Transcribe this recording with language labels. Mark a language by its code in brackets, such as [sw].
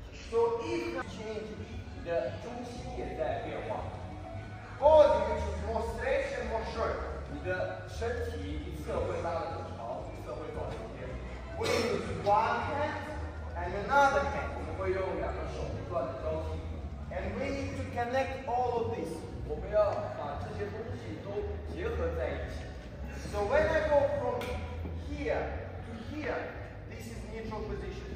[en] So if you change the [zh] 中心也在变化, [en] body is more straight and more short. [zh] 你的身体一侧会拉得很长，一侧会短一点。 [en] We use one hand and another hand. [zh] 我们会用两个手不断的交替。 [en] And we need to connect all of this. [zh] 我们要把这些东西都结合在一起。 [en] So when I go from here to here, this is neutral position.